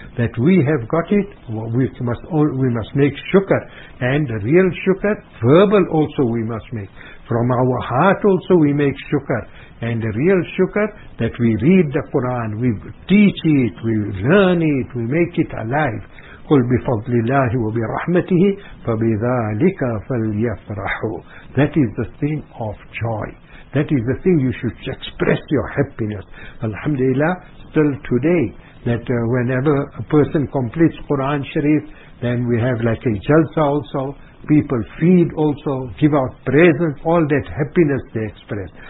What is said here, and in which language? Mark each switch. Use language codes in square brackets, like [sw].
[en] That we have got it, we must make shukr. And real shukr, verbal also we must make. From our heart also we make shukr. And the real shukr, that we read the Quran, we teach it, we learn it, we make it alive. [ar] قل بفضل الله وبرحمته فبذلك فليفرحوا. [en] That is the thing of joy. That is the thing you should express your happiness. Alhamdulillah, still today, that whenever a person completes Quran Sharif, then we have like a jalsa also, people feed also, give out presents, all that happiness they express.